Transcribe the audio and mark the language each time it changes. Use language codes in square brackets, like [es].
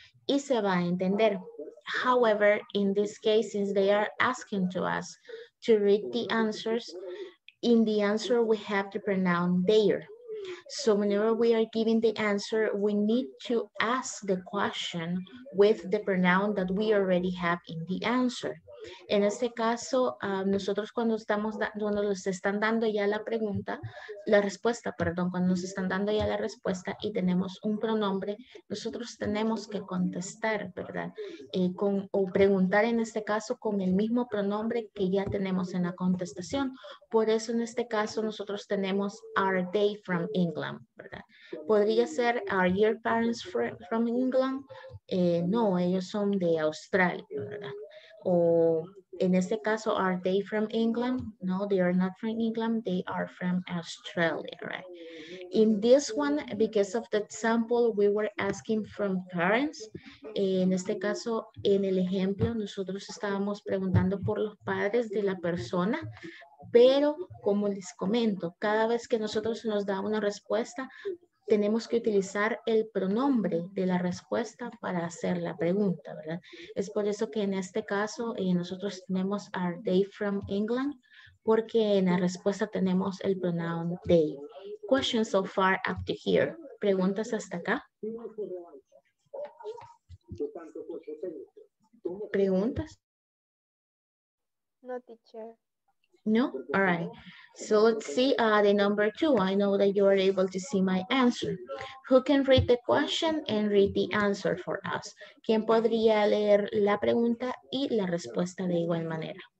[es] Y se va a entender. [en] However, in this case, since they are asking to us to read the answers, in the answer, we have to pronounce their. So whenever we are giving the answer, we need to ask the question with the pronoun that we already have in the answer. [es] En este caso, nosotros cuando estamos cuando nos están dando ya la pregunta, la respuesta, perdón, cuando nos están dando ya la respuesta y tenemos un pronombre, nosotros tenemos que contestar, ¿verdad? O preguntar en este caso con el mismo pronombre que ya tenemos en la contestación. Por eso en este caso nosotros tenemos, [en] are they from England, [es] ¿verdad? Podría ser, [en] are your parents from England? [es] No, ellos son de Australia, ¿verdad? O en este caso, [en] are they from England? No, they are not from England. They are from Australia, right? In this one, because of the example, we were asking from parents. [es] En este caso, en el ejemplo, nosotros estábamos preguntando por los padres de la persona. Pero, como les comento, cada vez que nosotros nos da una respuesta, tenemos que utilizar el pronombre de la respuesta para hacer la pregunta, ¿verdad? Es por eso que en este caso nosotros tenemos [en] are they from England, [es] porque en la respuesta tenemos el pronoun they. [en] Questions so far up to here. [es] ¿Preguntas hasta acá? ¿Preguntas? [en] No, teacher. No? All right. So let's see the number two. I know that you are able to see my answer. Who can read the question and read the answer for us? [es] ¿Quién podría leer la pregunta y la respuesta de igual manera?